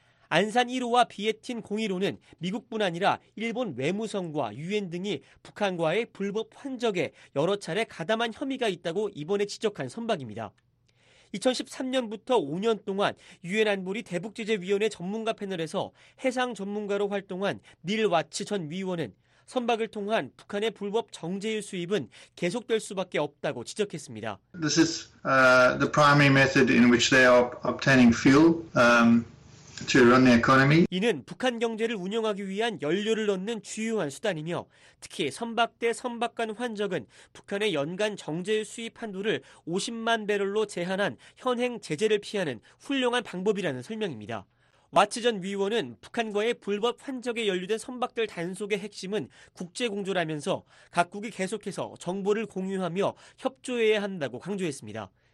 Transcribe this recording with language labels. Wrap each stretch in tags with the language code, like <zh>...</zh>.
<ko>안산 1호와 비에틴 01호는 미국뿐 아니라 일본 외무성과 유엔 등이 북한과의 불법 환적에 여러 차례 가담한 혐의가 있다고 이번에 지적한 선박입니다. 2013년부터 5년 동안 유엔 안보리 대북제재위원회 전문가 패널에서 해상 전문가로 활동한 닐 와츠 전 위원은 선박을 통한 북한의 불법 정제유 수입은 계속될 수밖에 없다고 지적했습니다.</ko> <en>This is the primary method in which they are obtaining fuel. To run the economy.</en> <ko>이는 북한 경제를 운영하기 위한 연료를 얻는 주요한 수단이며 특히 선박 대 선박 간 환적은 북한의 연간 정제 수입 한도를 50만 배럴로 제한한 현행 제재를 피하는 훌륭한 방법이라는 설명입니다. 와츠 전 위원은 북한과의 불법 환적에 연루된 선박들 단속의 핵심은 국제공조라면서 각국이 계속해서 정보를 공유하며 협조해야 한다고 강조했습니다.</ko>